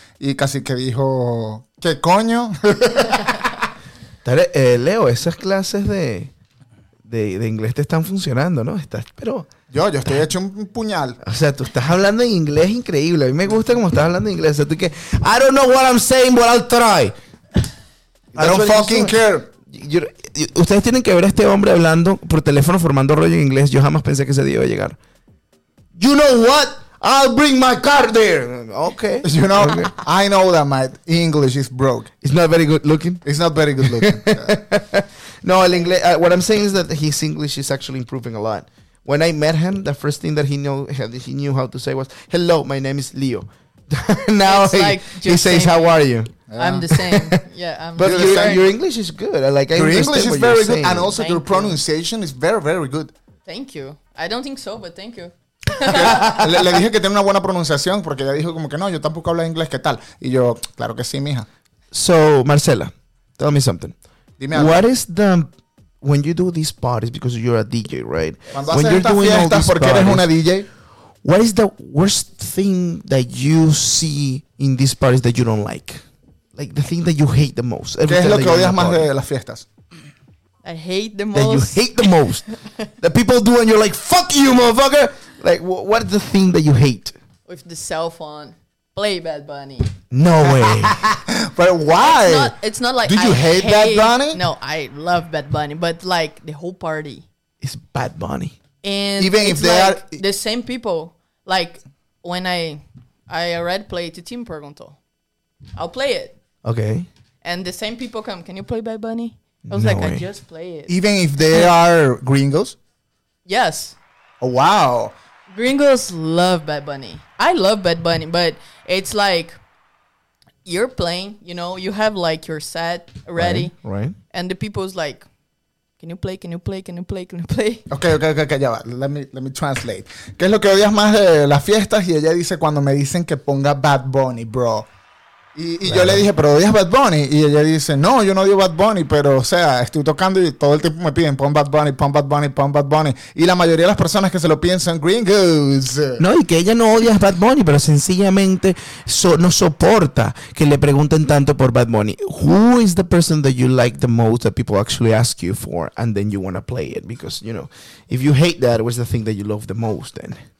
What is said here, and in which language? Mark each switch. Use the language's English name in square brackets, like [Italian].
[Spanish] Y casi que dijo, ¿qué coño? Leo, esas clases de inglés te están funcionando, ¿no? Estás, pero... Yo estoy hecho un puñal. O sea, tú estás hablando en inglés increíble. A mí me gusta cómo estás hablando en inglés. O sea, tú que... [English] I don't know what I'm saying, but I'll try. I don't fucking care. [Spanish] Ustedes tienen que ver a este hombre hablando por teléfono, formando rollo en inglés. Yo jamás pensé que ese día iba a llegar. [English] You know what? I'll bring my car there. Okay. You know, okay. I know that my English is broke. It's not very good looking. It's not very good looking. [Spanish] No, el inglés, [English] what I'm saying is that his English is actually improving a lot. When I met him, the first thing that he knew how to say was, hello, my name is Leo. Now he says, how are you? Yeah. I'm the same. Yeah, I'm but the same. Your English is good. Like, your I English is very good. Saying. And also your pronunciation is very, very good. Thank you. I don't think so, but thank you. [Spanish] Le dije que tiene una buena pronunciación porque ella dijo como que no, yo tampoco hablo inglés, ¿qué tal? Y yo, claro que sí, mija. [English] So, Marcela, tell me something. [Spanish] Dime algo. [English] What is the... When you do these parties, because you're a DJ, right? When you're doing all these parties, [Spanish] eres una DJ? [English] What is the worst thing that you see in these parties that you don't like? Like the thing that you hate the most? [Spanish] ¿Qué es lo que odias más de las fiestas? [English] I hate the most. That you hate the most. That people do and you're like, fuck you, motherfucker. Like, what is the thing that you hate? With the cell phone. Play Bad Bunny. No way. But why? It's not like do you hate Bad Bunny? No, I love Bad Bunny. But like the whole party. It's Bad Bunny. And even if they like are the same people. Like when I already played to Team Pergunto. I'll play it. Okay. And the same people come, can you play Bad Bunny? I was I just play it. Even if they are gringos? Yes. Oh wow. Gringos love Bad Bunny. I love Bad Bunny, but it's like you're playing, you know, you have like your set ready. Right. And the people's like, can you play? Can you play? Can you play? Can you play? Okay, [Spanish] ya va. [English] Let me translate. [Spanish] ¿Qué es lo que odias más de las fiestas? Y ella dice, cuando me dicen que ponga Bad Bunny, bro. Y yo le dije, pero odias Bad Bunny. Y ella dice, no, yo no odio Bad Bunny, pero o sea, estoy tocando y todo el tiempo me piden, pon Bad Bunny, pon Bad Bunny, pon Bad Bunny. Y la mayoría de las personas que se lo piden son gringos. No, y que ella no odia Bad Bunny, pero sencillamente no soporta que le pregunten tanto por Bad Bunny. [English] Who is the person that you like the most that people actually ask you for and then you want to play it? Because, you know, if you hate that, what's the thing that you love the most then?